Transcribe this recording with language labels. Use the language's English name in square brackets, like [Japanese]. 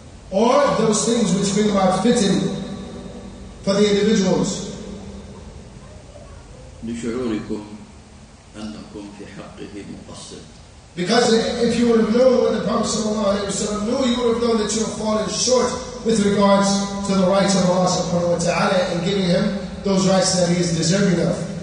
[English] Or those things which bring about fitting for the individuals. [Arabic] لشعوركم أنكم في حقه مقصر. [English] Because if you would have known what the Prophet sallallahu alaihi wasallam knew, you would have known that you have fallen short with regards to the rights of Allah subhanahu wa ta'ala and giving him those rights that he is deserving of.